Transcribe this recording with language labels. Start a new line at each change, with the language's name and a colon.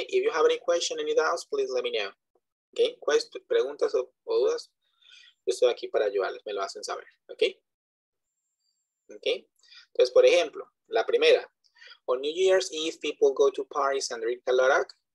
English: If you have any questions, any doubts, please let me know.
Spanish: ¿Ok? Preguntas o dudas, yo estoy aquí para ayudarles, me lo hacen saber. ¿Ok? ¿Ok? Entonces, por ejemplo, la primera.
English: On New Year's Eve, people go to parties and drink a lot of.